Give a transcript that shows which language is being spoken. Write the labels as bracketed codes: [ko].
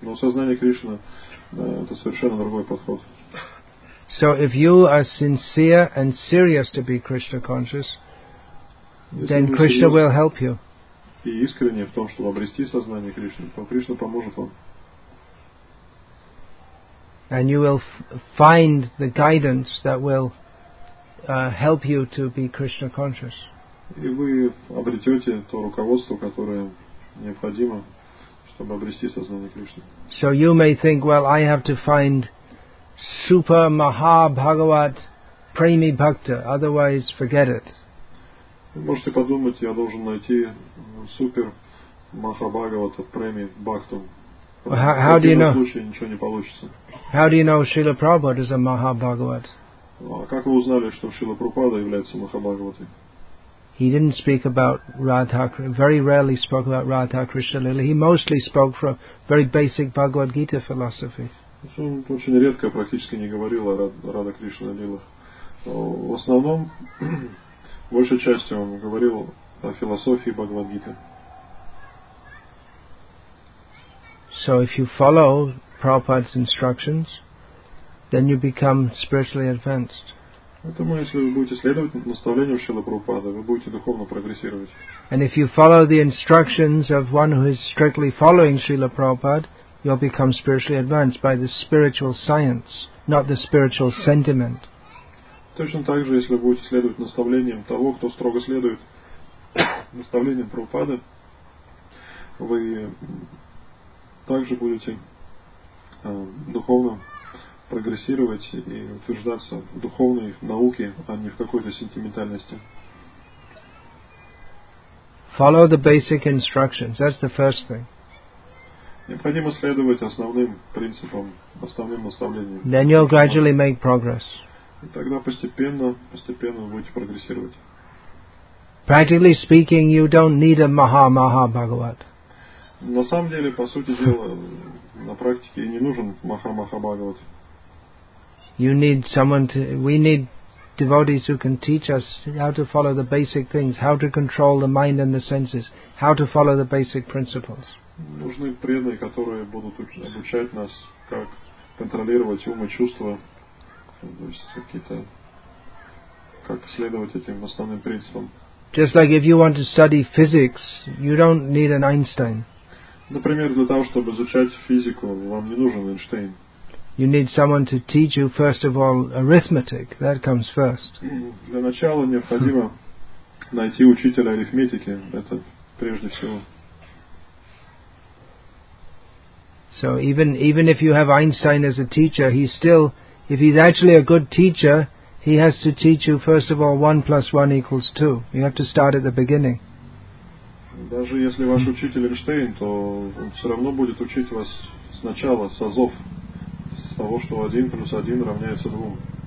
[ru] Но сознание Кришны это совершенно другой подход. [en] So if you are sincere and serious to be Krishna conscious, then Krishna will help you. [ru] И искренне в том, чтобы обрести сознание Кришны, то Кришна поможет вам. [en] And you will find the guidance that will help you to be Krishna conscious. [ru] И вы обретете то руководство, которое необходимо, чтобы обрести сознание Кришны. [en] So you may think, well, I have to find super maha bhagavat premi bhakta, otherwise forget it. [ru] Вы можете подумать, я должен найти супер маха бхагавата преми бхакту. [en] How do you know? [ru] В этом случае ничего не получится. [en] How do you know Srila Prabhupada is a maha bhagavat? [ru] Как вы узнали, что Шрила Прабхупада является маха бхагаватой? [en] He didn't speak about Radha, very rarely spoke about Radha Krishna Lila. He mostly spoke from very basic Bhagavad Gita philosophy. [ru] Он очень редко, практически не говорил о Радха Кришна Лилах. В основном, большей частью он говорил о философии Бхагавад Гиты. [en] So if you follow Prabhupada's instructions, then you become spiritually advanced. [ru] Поэтому, если вы будете следовать наставлениям Шрилы Прабхупады, вы будете духовно прогрессировать. [en] And if you follow the instructions of one who is strictly following Srila Prabhupada, you'll become spiritually advanced by the spiritual science, not the spiritual sentiment. [ru] Точно так же, если вы будете следовать наставлениям того, кто строго следует наставлениям Прабхупады, вы также будете духовно прогрессировать и утверждаться в духовной науке, а не в какой-то сентиментальности. [en] Follow the basic instructions. That's the first thing. [ru] Необходимо следовать основным принципам, основным наставлениям. [en] Then you'll gradually make progress. [ru] И тогда постепенно будете прогрессировать. [en] Practically speaking, you don't need a Maha Bhagavat. [ru] На самом деле, по сути дела, на практике не нужен Маха Бхагават. [en] You need someone to. We need devotees who can teach us how to follow the basic things, how to control the mind and the senses, how to follow the basic principles. [ru] Нужны преданные, которые будут обучать нас, как контролировать ум и чувства, то есть какие-то как следовать этим основным принципам. [en] Just like if you want to study physics, you don't need an Einstein. [ru] Например, для того, чтобы изучать физику, вам не нужен Эйнштейн. [en] You need someone to teach you, first of all, arithmetic. That comes first. [ru] Для начала необходимо найти учителя арифметики. Это прежде всего. [en] So even if you have Einstein as a teacher, he's still, if he's actually a good teacher, he has to teach you, first of all, 1 plus 1 equals 2. You have to start at the beginning. [ru] Даже если ваш учитель Эйнштейн, то он все равно будет учить вас сначала, с азов, с того, что 1 плюс 1 равняется 2.